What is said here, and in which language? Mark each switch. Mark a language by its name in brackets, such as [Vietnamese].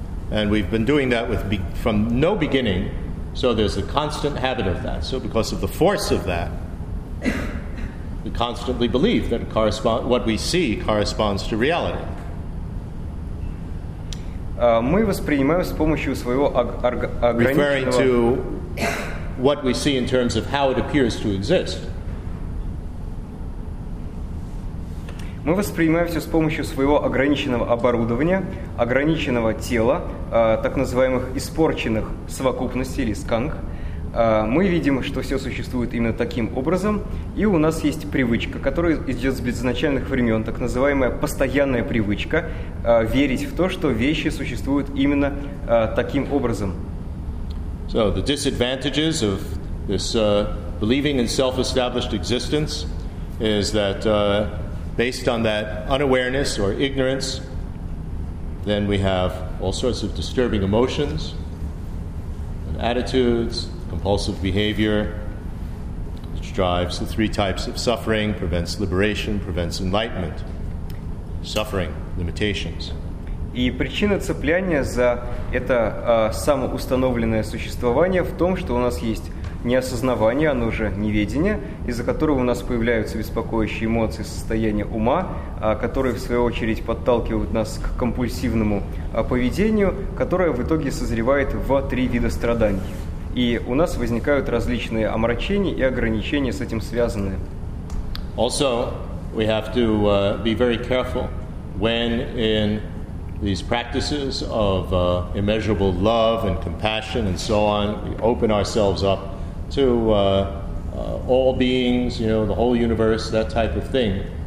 [English] And we've been doing that from no beginning, so there's a constant habit of that. So because of the force of that, we constantly believe that what we see corresponds to reality. [Russian] Мы воспринимаем с помощью своего ограниченного... [English] Referring to what we see in terms of how it appears to exist. [Russian] Мы воспринимаем все с помощью своего ограниченного оборудования, ограниченного тела, так называемых испорченных совокупностей или сканг. Мы видим, что все существует именно таким образом, и у нас есть привычка, которая идет с безначальных времен, так называемая постоянная привычка верить в то, что вещи существуют именно таким образом. [English] So the disadvantages of this believing in self-established existence is that based on that unawareness or ignorance, then we have all sorts of disturbing emotions and attitudes. Compulsive behavior, which drives the three types of suffering, prevents liberation, prevents enlightenment. Suffering, limitations. [Russian] И причина цепляния за это самоустановленное существование в том, что у нас есть неосознавание, оно же неведение, из-за которого у нас появляются беспокоящие эмоции, состояние ума, которые, в свою очередь, подталкивают нас к компульсивному поведению, которое в итоге созревает в три вида страданий. И у нас возникают различные омрачения и ограничения, с этим связанные. [English] Also, we have to be very careful when in these practices of immeasurable love and compassion and so on, we open ourselves up to all beings, you know, the whole universe, that type of thing.